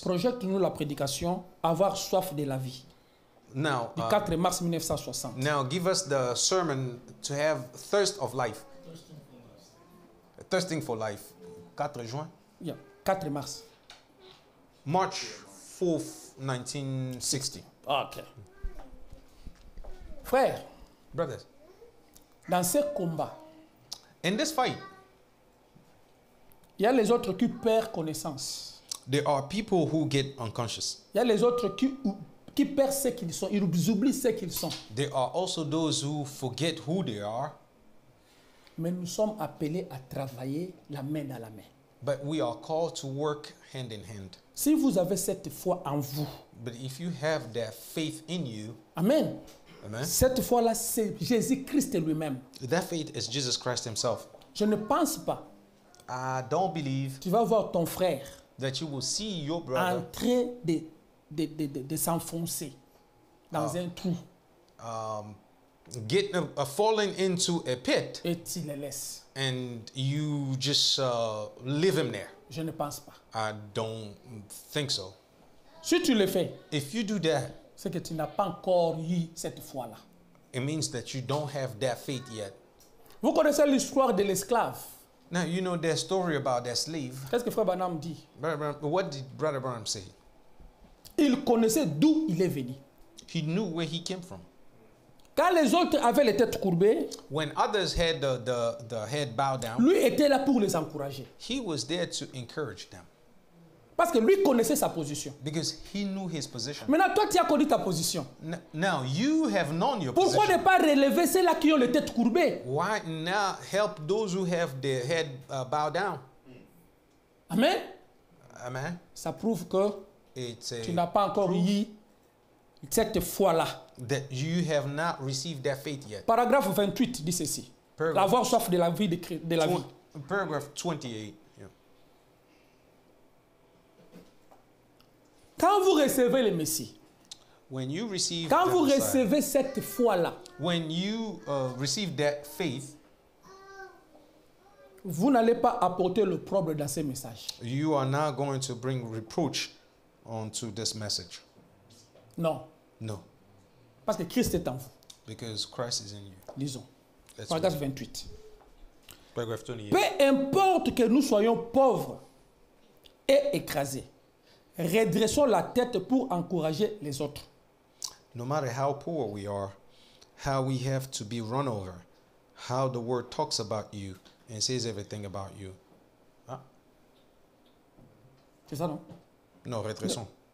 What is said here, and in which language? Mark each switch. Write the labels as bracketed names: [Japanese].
[French] Projette-nous la prédication Avoir soif de la vie. [English] Now, [French] du 4 mars 1960. [English] Now, give us the sermon to have thirst of life. Thirsting for life. [French] 4 juin. [English] Yeah, 4 mars. March 4th, 1960. [French] Okay. Frère, [English] brothers, [French] dans ce combat, [English] in this fight, [French] il y a les autres qui perdent connaissance. [English] There are people who get unconscious. [French] Il y a les autres qui perdent ce qu'ils sont, ils oublient ce qu'ils sont. [English] There are also those who forget who they are. [French] Mais nous sommes appelés à travailler la main dans la main. [English] But we are called to work hand in hand. [French] Si vous avez cette foi en vous. [English] But if you have that faith in you. Amen. Amen. [French] Cette foi-là, c'est Jésus-Christ lui-même. [English] That faith is Jesus Christ himself. [French] Je ne pense pas. [English] I don't believe. [French] Tu vas voir ton frère. [English] That you will see your brother. [French] En train de s'enfoncer dans un trou. [English] Falling into a pit. [French] Et tu le laisses. [English] And you just leave him there. [French] Je ne pense pas. [English] I don't think so. [French] Si tu le fais. [English] If you do that. [French] C'est que tu n'as pas encore eu cette foi-là. [English] It means that you don't have that faith yet. [French] Vous connaissez l'histoire de l'esclave. [English] Now you know the story about that slave. [French] Qu'est-ce que Frère Branham dit? [English] What did Brother Branham say? [French] Il connaissait d'où il est venu. [English] He knew where he came from. [French] Quand les autres avaient les têtes courbées, [English] when others had the head bowed down, [French] lui était là pour les encourager. [English] He was there to encourage them. [French] Parce que lui connaissait sa position. [English] Because he knew his position. [French] Maintenant, toi, tu as connu ta position. [English] Now you have known your [French] Pourquoi [English] position. [French] Pourquoi ne pas relever ceux-là qui ont les têtes courbées? [English] Why not help those who have their head bowed down? Amen. Amen. [French] Ça prouve que [English] It's a [French] tu n'as pas encore eu cette foi-là. [English] That you have not received that faith yet. [French] Paragraphe 28 dit ceci. L'avoir soif de la vie de la vie. [English] Paragraph 28. [French] Quand vous recevez le Messie, [English] when you receive [French] quand [English] the [French] vous [English] Messiah, [French] recevez cette foi-là, [English] when you, receive that faith, [French] vous n'allez pas apporter le problème dans ce message. [English] You are not going to bring reproach onto this message. [French] Non. [English] No. [French] Parce que Christ est en vous. [English] Because Christ is in you. [French] Lisons. Paragraphe 28. [English] Paragraph 28. [French] Peu importe que nous soyons pauvres et écrasés. Redressons la tête pour encourager les autres. [English] No matter how poor we are, how we have to be run over, how the world talks about you and says everything about you. Ah. [French] C'est ça, non? Non, redressons.